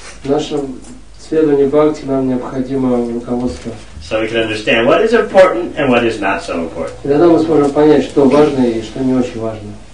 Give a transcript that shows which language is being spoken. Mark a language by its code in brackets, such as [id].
[ru] В нашем следовании бхакти нам необходимо руководство. [en] So we can understand what is important and what is not so important. [ru] Тогда мы сможем понять, что важно и что не очень важно.